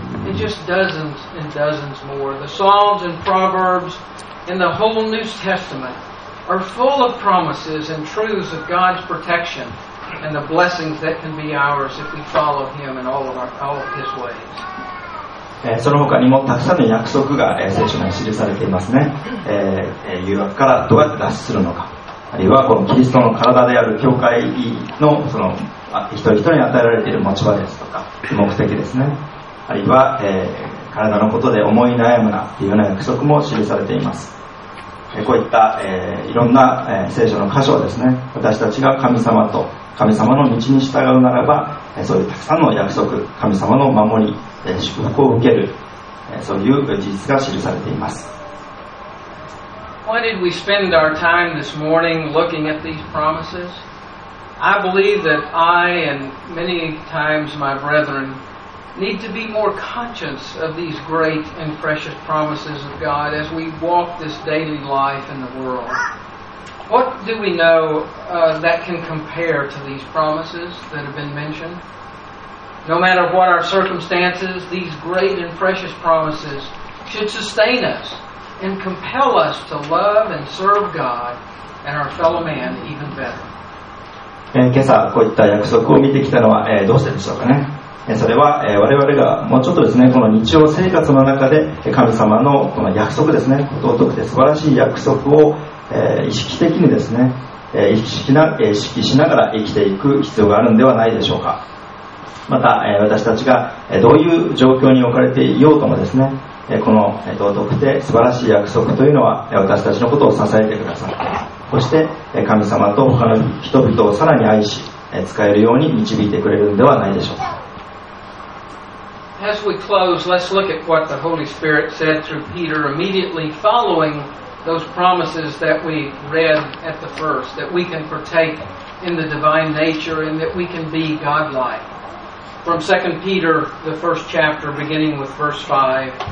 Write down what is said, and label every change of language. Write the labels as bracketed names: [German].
[English] It just dozens and dozens more. The Psalms and Proverbs and the whole New Testament are full of promises and truths of God's protection and the blessings that can be ours if we follow Him in all of His ways. [Japanese] その他にもたくさんの約束が聖書に記されていますね。誘惑からどうやって脱出するのか、あるいはこのキリストの体である教会 その一人一人に与えられている持ち場ですとか目的ですね、あるいは、体のことで思い悩むなというような約束も記されています。こういった、いろんな、聖書の箇所ですね、私たちが神様と神様の道に従うならば、そういうたくさんの約束、神様の守り、祝福を受ける、そういう事実が記されています。 [English] Why did we spend our time this morning looking at these promises? I believe that I and many times my brethren need to be more conscious of these great and precious promises of God as we walk this daily life in the world. What do we know that can compare to these promises that have been mentioned? No matter what our circumstances, these great and precious promises should sustain us. And compel us to love and serve God and our fellow man even better. [Japanese] 今朝こういった約束を見てきたのは、どうしてでしょうかね。それは、我々がもうちょっとですね、この日常生活の中で神様のこの約束ですね、尊くて素晴らしい約束を、意識的にですね、意識しながら生きていく必要があるのではないでしょうか。また、私たちがどういう状況に置かれていようともですね、この道徳で素晴らしい約束というのは私たちのことを支えてくださって、そして神様と他の人々をさらに愛し使えるように導いてくれるのではないでしょうか。 [English] As we close, let's look at what the Holy Spirit said through Peter immediately following those promises that we read at the first, that we can partake in the divine nature and that we can be God-like. From 2 Peter, the first chapter, beginning with verse 5.